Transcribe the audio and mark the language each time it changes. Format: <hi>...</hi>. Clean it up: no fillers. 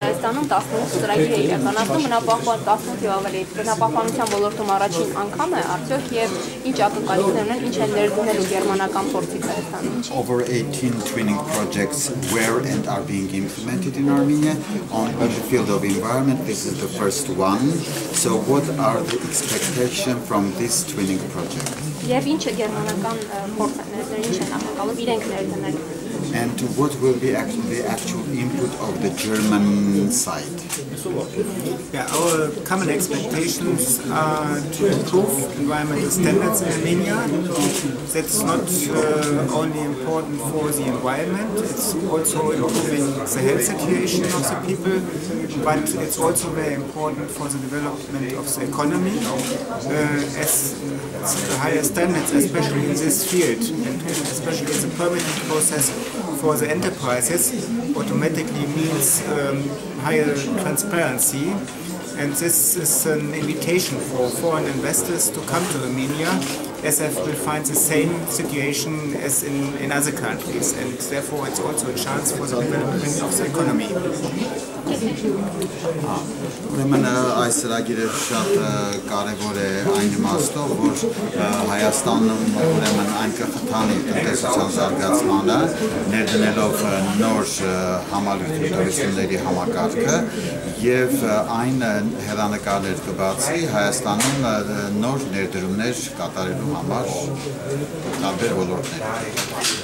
<hy>Հայաստանում 18 ծրագիր է իրականացնում, բնապահպան 18 եւ ավելի բնապահպանության ոլորտում առաջին անգամ է արդյոք եւ ինչ ակնկալիքներ ունեն, ինչ են ներդնելու գերմանական փորձից Հայաստանում։</hy> <en>Over 18 twinning projects were and are being implemented in Armenia on the field of environment. This is the first one. So what are the expectations from this twinning project?</en> <hy>Եվ ինչ է գերմանական փորձները, ինչ են ակնկալում իրենք ներդնել։</hy> <en>And what will be actually the actual input of the German side? Yeah, our common expectations are to improve environmental standards in Armenia. That's not only important for the environment, it's also improving the health situation of the people, but it's also very important for the development of the economy, as the higher standards, especially in this field, and especially in the permitting process, for the enterprises automatically means higher transparency, and this is an invitation for foreign investors to come to Armenia, as they will find the same situation as in other countries, and therefore it's also a chance for the development of the economy.</en> <hy>Ուրեմն այս ծրագիրը շատ կարևոր է այն իմաստով, որ Հայաստանում ուրեմն այն կխթանի տնտեսության զարգացմանը, ներդնելով նոր համալրությունների համակարգը, և այն հեռանկարներ կբացի Հայաստանում նոր ներդրումներ կատարելու համար տարբեր ոլորտներ։</hy>